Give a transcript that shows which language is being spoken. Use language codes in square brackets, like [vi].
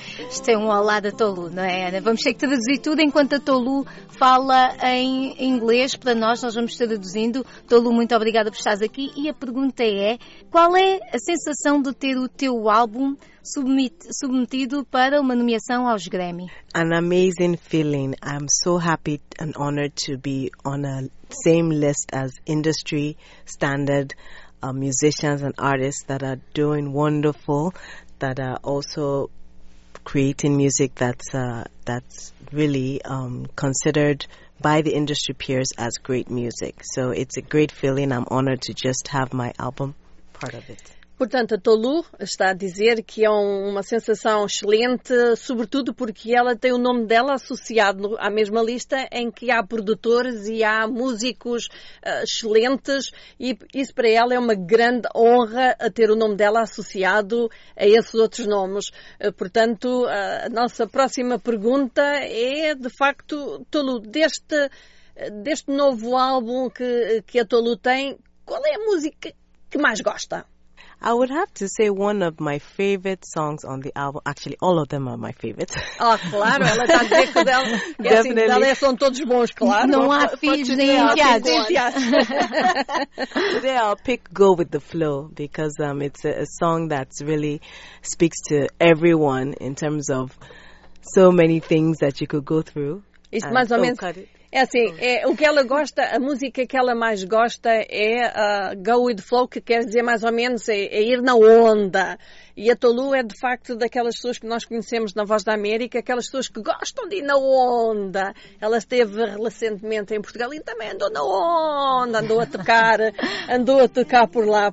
[pt] Isto é um olá da Tolu, não é, Ana? Vamos ter que traduzir tudo enquanto a Tolu fala em inglês para nós. Nós vamos traduzindo. Tolu, muito obrigada por estares aqui. E a pergunta é, qual é a sensação de ter o teu álbum submetido para uma nomeação aos Grammy? [en] An amazing feeling. I'm so happy and honored to be on a same list as industry standard musicians and artists that are doing wonderful, that are also creating music that's really considered by the industry peers as great music. So it's a great feeling. I'm honored to just have my album part of it. [pt] Portanto, a Tolu está a dizer que é uma sensação excelente, sobretudo porque ela tem o nome dela associado à mesma lista em que há produtores e há músicos excelentes, e isso para ela é uma grande honra, a ter o nome dela associado a esses outros nomes. Portanto, a nossa próxima pergunta é, de facto, Tolu, deste novo álbum que a Tolu tem, qual é a música que mais gosta? I would have to say one of my favorite songs on the album. Actually, all of them are my favorite. Oh, claro, ela está a dizer que dela, é assim, dela é, são todos bons, claro. Não há filhos nem enteados. [en] Today I'll pick Go With The Flow, because it's a song that really speaks to everyone in terms of so many things that you could go through. [pt] Isso mais ou menos... [en] Cut it. [pt] É assim, o que ela gosta, a música que ela mais gosta é Go With The Flow, que quer dizer mais ou menos é ir na onda. E a Tolu é de facto daquelas pessoas que nós conhecemos na Voz da América, aquelas pessoas que gostam de ir na onda. Ela esteve recentemente em Portugal e também andou na onda, andou a tocar por lá.